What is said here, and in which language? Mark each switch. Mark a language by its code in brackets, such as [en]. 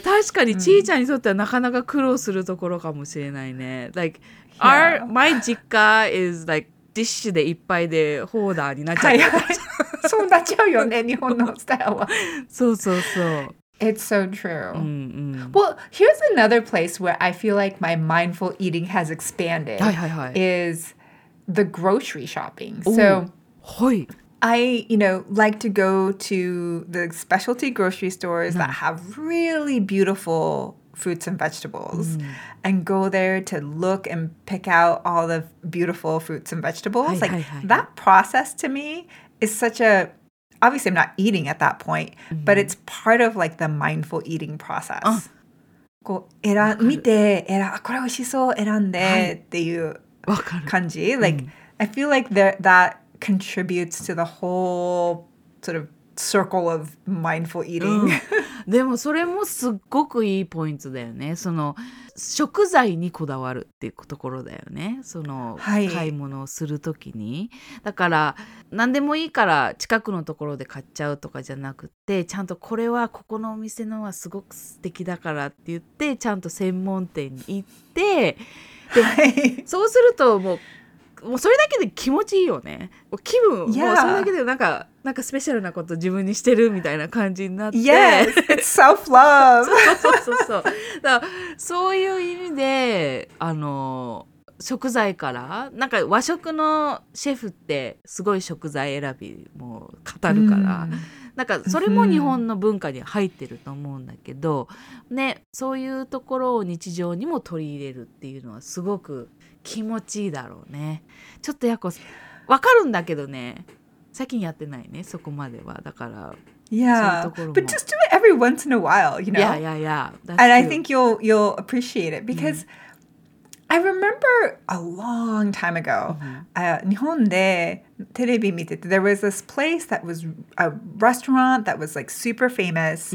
[ja] 確かにちーちゃんにとってはなかなか苦労するところかもしれないね。 [en] Like, yeah. my [ja] 実家 [en] is like, [ja] ディッシュでいっぱいでホーダーになっちゃう。そうなっちゃうよね、日本のスタイルは。そうそうそう。 [en] It's so true. Mm-hmm. Well, here's another place where I feel like my mindful eating has expanded is the grocery shopping. Ooh. So I, you know, like to go to the specialty grocery stores mm-hmm. that have really beautiful fruits and vegetables mm-hmm. and go there to look and pick out all the beautiful fruits and vegetables. Like that process to me is such a Obviously, I'm not eating at that point, mm-hmm. but it's part of like the mindful eating process. [ja] こう、見て、これ美味しそう、選んで、はい、っていう感じ。 [en] Like, I feel like that contributes to the whole sort of circle of mindful eating. [ja] でもそれもすっごくいいポイントだよね。その食材にこだわるっていうところだよね。その、はい、買い物をするときに。だから何でもいいから近くのところで買っちゃうとかじゃなくて、ちゃんとこれはここのお店のはすごく素敵だからって言って、ちゃんと専門店に行って、ではい、そうするともう、もうそれだけで気持ちいいよね。気分、 [en] yeah. [ja] もうそれだけでなんかスペシャルなこと自分にしてるみたいな感じになって。 [en] Yes, it's self-love. [ja] そうそうそう。だそういう意味で、食材から、なんか和食のシェフってすごい食材選びも語るから、mm. なんかそれも日本の文化に入ってると思うんだけど、mm. ね、そういうところを日常にも取り入れるっていうのはすごく、気持ちいいだろうね。ちょっとやこわかるんだけどね。最近やってないね、そこまでは。だから、 [en] yeah. [ja] そういうところも。 [en] But just do it every once in a while, you know? Yeah, yeah, yeah. That's And I think you'll appreciate it. Because、mm-hmm. I remember a long time ago,、mm-hmm. [ja] 日本でテレビ見てて、 [en] there was this place that was a restaurant that was like super famous,、